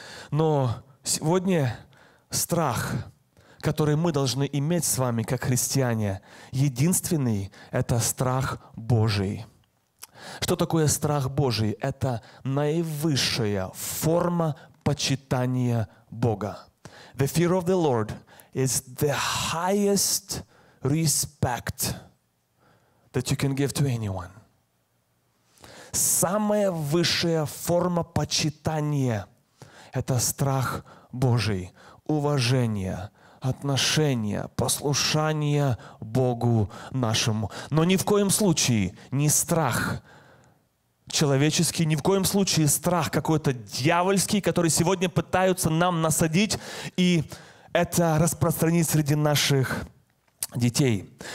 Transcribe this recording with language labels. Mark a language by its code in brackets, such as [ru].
[ru] Но сегодня страх, который мы должны иметь с вами, как христиане, единственный – это страх Божий. Что такое страх Божий? Это наивысшая форма почитания Бога. [en] The fear of the Lord is the highest respect that you can give to anyone. [ru] Самая высшая форма почитания – это страх Божий, уважение, отношения, послушание Богу нашему. Но ни в коем случае не страх человеческий, ни в коем случае страх какой-то дьявольский, который сегодня пытаются нам насадить и это распространить среди наших детей.